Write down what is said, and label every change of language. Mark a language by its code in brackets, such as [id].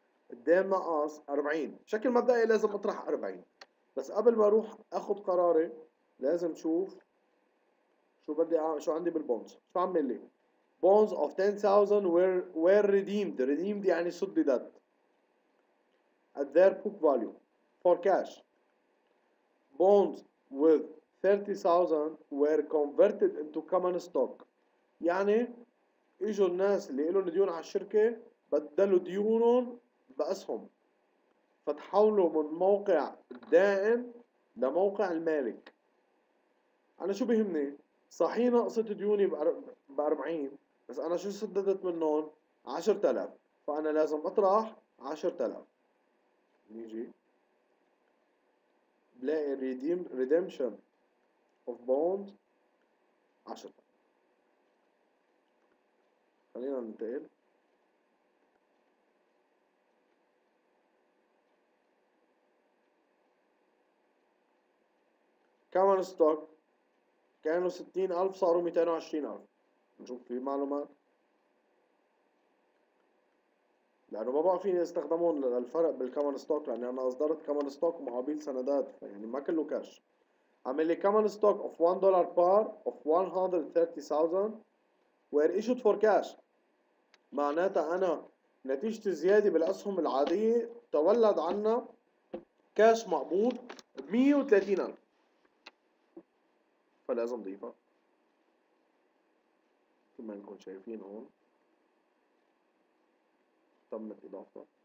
[ar] قدام ناقص 40، بشكل مبدئي لازم اطرح 40، بس قبل ما اروح اخذ قراري لازم اشوف شو بدي شو عندي بالبونز. شو عامل لي؟ [en] bonus of 10000 were redeemed, [ar] ريديمد يعني سددت. [en] at their book value for cash. bonds with 30,000 were converted into common stock. [ar] يعني اجوا الناس اللي لهم ديون على الشركة بدلوا ديونهم بأسهم، فتحولوا من موقع الدائن لموقع المالك. أنا شو بهمني؟ صحيح نقصت ديوني ب 40، بس أنا شو سددت منهم؟ 10,000، فأنا لازم أطرح 10,000. نيجي بلاقي [en] redemption of bond 10. [ar] خلينا ننتقل. common stock كانوا 60,000 صاروا 220,000. نشوف في معلومات لانه ما بقى فيني استخدمون للفرق بالcommon stock، لاني انا اصدرت common stock مقابل سندات، يعني ما كله كاش. عمل لي [en] common stock of $1 par of 130,000 were issued for cash. [ar] معناتها انا نتيجة الزيادة بالاسهم العادية تولد عنا كاش مقبوض ب 130,000، فلازم ضيفها كما نكون شايفين هون تمت اضافتها.